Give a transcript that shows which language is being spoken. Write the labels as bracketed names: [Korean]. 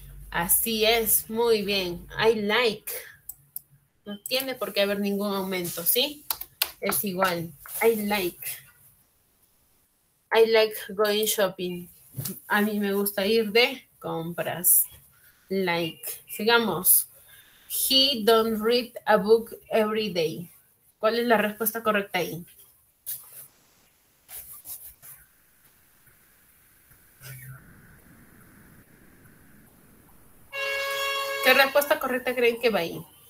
[Spanish] Así es, muy bien. [English] I like. [Spanish] No tiene por qué haber ningún aumento, ¿sí? Es igual. [English] I like. I like going shopping. [Spanish] A mí me gusta ir de compras. Like. Sigamos. [English] He don't read a book every day. [Spanish] ¿Cuál es la respuesta correcta ahí? ¿Qué respuesta correcta creen que va ahí?